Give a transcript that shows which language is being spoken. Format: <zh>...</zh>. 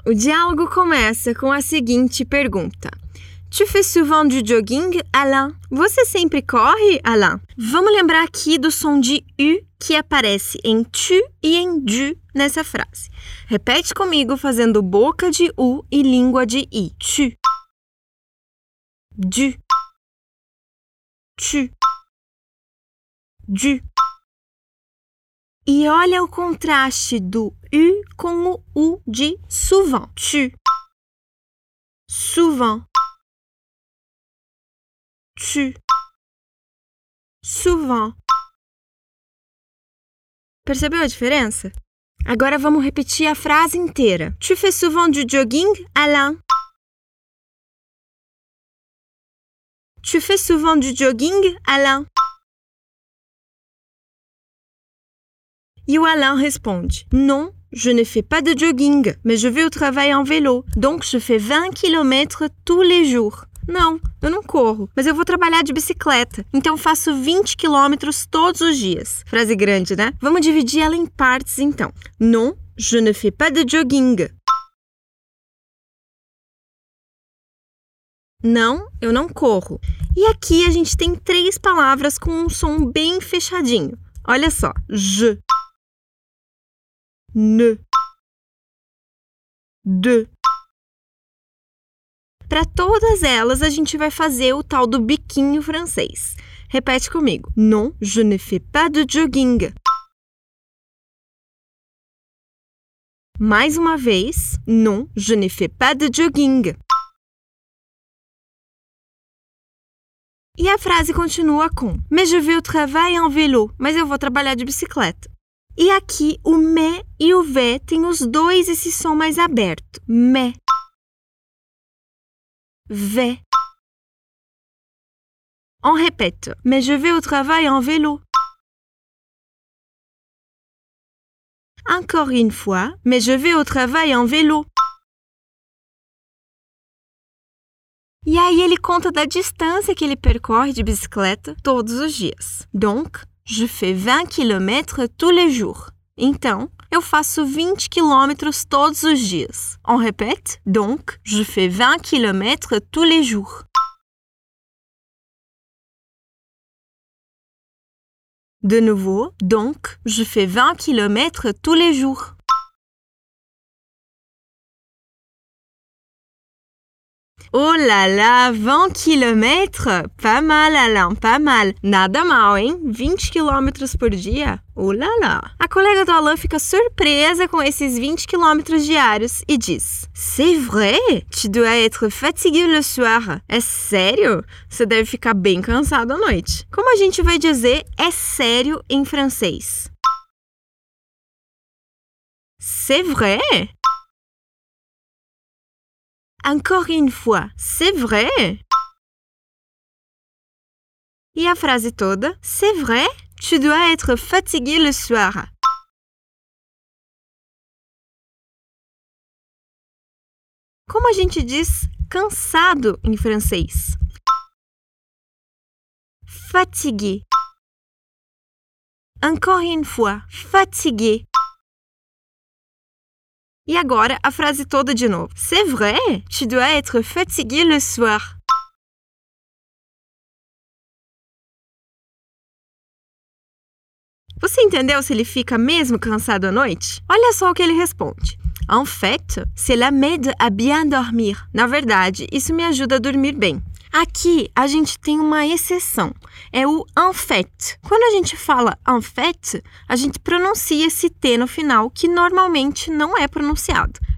<pt>O diálogo começa com a seguinte pergunta.</pt> <fr>Tu fais souvent du jogging, Alain?</fr> <pt>Você sempre corre, Alain? Vamos lembrar aqui do som de U que aparece em tu e em du nessa frase. Repete comigo fazendo boca de U e língua de I.</pt> <fr>Tu. Du. Tu. Du.</fr> <pt>E olha o contraste do U com o U de souvent. Tu. Souvent.</pt> <fr>Tu. Souvent.</fr> <pt>Percebeu a diferença? Agora vamos repetir a frase inteira.</pt> <fr>Tu fais souvent du jogging, Alain? Tu fais souvent du jogging, Alain?</fr> <pt>E o Alain responde:</pt> <fr>Non, je ne fais pas de jogging, mais je vais au travail en vélo. Donc, je fais 20 km tous les jours.</fr> <pt>Não, eu não corro, mas eu vou trabalhar de bicicleta. Então, faço 20 km todos os dias. Frase grande, né? Vamos dividir ela em partes, então.</pt> <fr>Non, je ne fais pas de jogging.</fr> <pt>Não, eu não corro. E aqui a gente tem três palavras com um som bem fechadinho. Olha só. Je. Ne.</pt> <fr>De.</fr> <pt>Para todas elas, a gente vai fazer o tal do biquinho francês. Repete comigo.</pt> <fr>Non, je ne fais pas de jogging.</fr> <pt>Mais uma vez.</pt> <fr>Non, je ne fais pas de jogging.</fr> <pt>E a frase continua com</pt> <fr>Mais je vais au travail en vélo.</fr> <pt>Mas eu vou trabalhar de bicicleta. E aqui, o mais e o vé têm os dois esse som mais aberto.</pt> <fr>Mais. Vé. On répète. Mais je vais au travail en vélo. Encore une fois. Mais je vais au travail en vélo.</fr> <pt>E aí ele conta da distância que ele percorre de bicicleta todos os dias.</pt> <fr>Donc, je fais 20 km tous les jours.</fr> <pt>Então, eu faço 20 km todos os dias.</pt> <fr>On répète? Donc, je fais 20 km tous les jours. De nouveau, donc, je fais 20 km tous les jours. Oh là là, 20 km? Pas mal, Alain, pas mal.</fr> <pt>Nada mal, hein? 20 km por dia?</pt> <fr>Oh là là.</fr> <pt>A colega do Alain fica surpresa com esses 20 km diários e diz:</pt> <fr>C'est vrai? Tu dois être fatigué le soir.</fr> <pt>É sério? Você deve ficar bem cansado à noite. Como a gente vai dizer é sério em francês?</pt> <fr>C'est vrai? Encore une fois, c'est vrai?</fr> <pt>E a frase toda?</pt> <fr>C'est vrai? Tu dois être fatigué le soir.</fr> <pt>Como a gente diz cansado em francês?</pt> <fr>Fatigué. Encore une fois, fatigué.</fr> <pt>E agora, a frase toda de novo.</pt> <fr>C'est vrai? Tu dois être fatigué le soir.</fr> <pt>Você entendeu se ele fica mesmo cansado à noite? Olha só o que ele responde.</pt> <fr>En fait, cela m'aide à bien dormir.</fr> <pt>Na verdade, isso me ajuda a dormir bem. Aqui, a gente tem uma exceção. É o en fait. Quando a gente fala en fait, a gente pronuncia esse T no final, que normalmente não é pronunciado.</pt>